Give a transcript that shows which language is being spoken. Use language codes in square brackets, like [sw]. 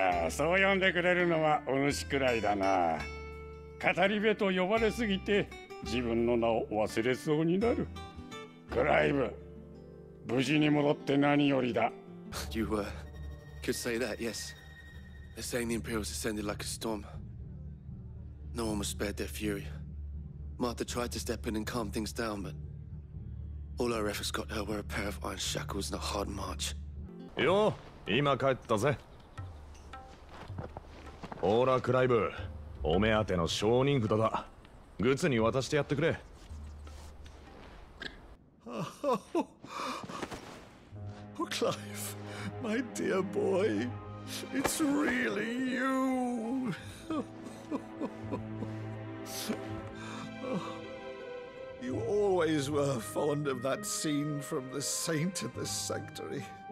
[ja] そう呼んでくれるのはお主くらいだな。語り部と呼ばれすぎて自分の名を忘れそうになる。クライブ。無事に戻って何よりだ。 [en] You could say that, yes. They're saying the Imperials ascended like a storm. No one was spared their fury. Martha tried to step in and calm things down, but all our efforts got her were a pair of iron shackles and a hard march. [ja] よ、今帰ったぜ。オーラクライブ、お目当ての商人札だ。グツに渡してやってくれ。 [en] Oh, Clive, my dear boy, it's really you. You always were fond of that scene from The Saint of the Sanctuary.